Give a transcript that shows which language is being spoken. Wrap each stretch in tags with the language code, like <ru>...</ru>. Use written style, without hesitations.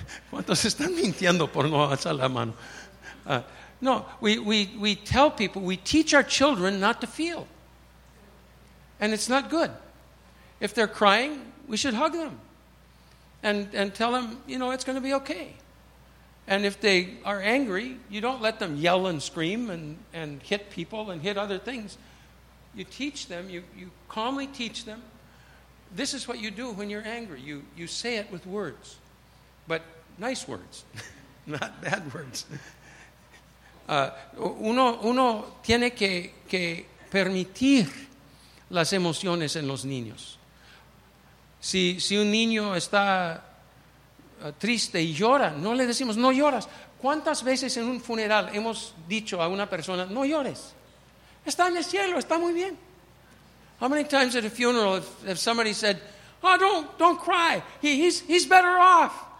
<es>¿Cuántos están mintiendo por no alzar la mano?</es> <en>No, we tell people, we teach our children not to feel. And it's not good. If they're crying, we should hug them and tell them, you know, it's going to be okay. And if they are angry, you don't let them yell and scream and hit people and hit other things. You teach them, you calmly teach them, this is what you do when you're angry. You say it with words, but nice words, not bad words.</en> <es>Uno tiene que permitir las emociones en los niños. Si un niño está triste y llora, no le decimos, no lloras. ¿Cuántas veces en un funeral hemos dicho a una persona, no llores? Está en el cielo, está muy bien.</es> <en>How many times at a funeral if somebody said, oh, don't cry, he's better off.</en>